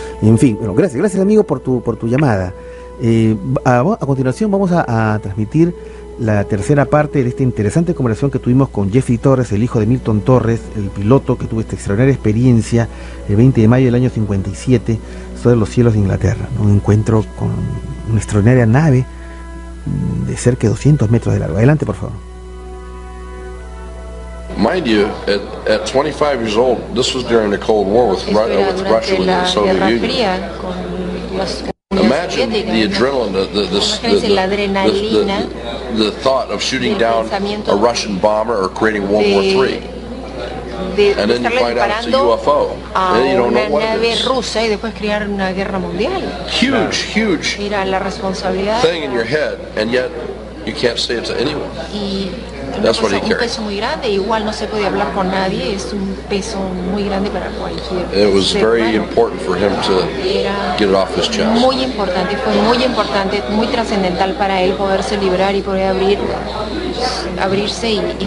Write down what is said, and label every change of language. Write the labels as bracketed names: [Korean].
[Spanish] En fin, bueno, gracias amigo por tu llamada. A continuación vamos a transmitir la tercera parte de esta interesante conversación que tuvimos con Jeffrey Torres, el hijo de Milton Torres, el piloto que tuvo esta extraordinaria experiencia el 20 de mayo del año 57 sobre los cielos de Inglaterra, ¿no? Un encuentro con una extraordinaria nave de cerca de 200 metros de largo. Adelante, por favor. [English] Mind you, at 25 years old, this was during the Cold War with Russia and the Soviet Union. Imagine the adrenaline, the thought of shooting down a Russian bomber or creating World War III. And then you find out it's a UFO. And then you don't know what it is. [Spanish] Rusa, y después crear una guerra mundial. [English] Huge, huge [Spanish] era la responsabilidad [English] thing in your head, and yet you can't say it to anyone. [Spanish] Y [English] that's what he [Spanish] un [English] carried. [Spanish] Peso muy grande, igual no se puede hablar con nadie, es un peso muy grande para cualquier. [English] It was very important for him to get it off his chest. [Spanish] Muy importante, fue muy importante, muy trascendental para él poderse liberar y poder abrirse y